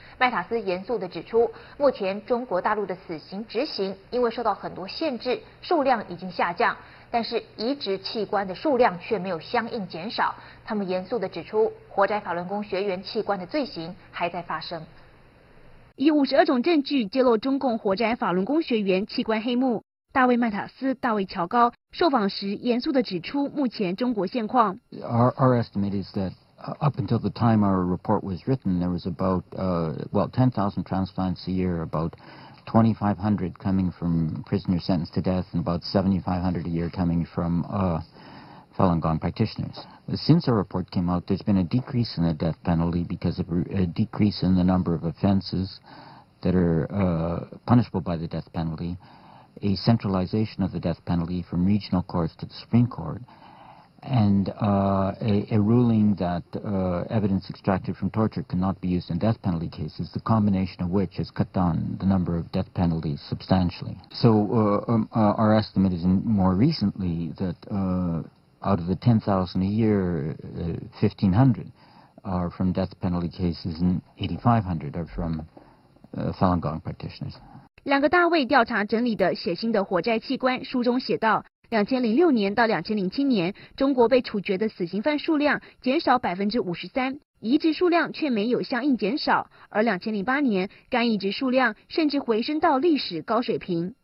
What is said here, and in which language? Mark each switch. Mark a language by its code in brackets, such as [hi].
[zh] 麦塔斯严肃地指出，目前中国大陆的死刑执行因为受到很多限制，数量已经下降，但是移植器官的数量却没有相应减少。他们严肃地指出，活摘法轮功学员器官的罪行还在发生。以52种证据揭露中共活摘法轮功学员器官黑幕，大卫麦塔斯、大卫乔高受访时严肃地指出目前中国现况。 [en] Our estimate is that up until the time our report was written, there was about 10,000 transplants a year, about 2,500 coming from prisoners sentenced to death, and about 7,500 a year coming from Falun Gong practitioners. Since our report came out, there's been a decrease in the death penalty because of a decrease in the number of offenses that are punishable by the death penalty, a centralization of the death penalty from regional courts to the Supreme Court, and a ruling that evidence extracted from torture cannot be used in death penalty cases, the combination of which has cut down the number of death penalties substantially. So our estimate is more recently that out of the 10,000 a year, 1,500 are from death penalty cases and 8,500 are from Falun Gong practitioners. [zh] 两个大卫调查整理的血腥的活摘器官，书中写道，2006年到2007年，中国被处决的死刑犯数量减少53%，移植数量却没有相应减少，而2008年，肝移植数量甚至回升到历史高水平。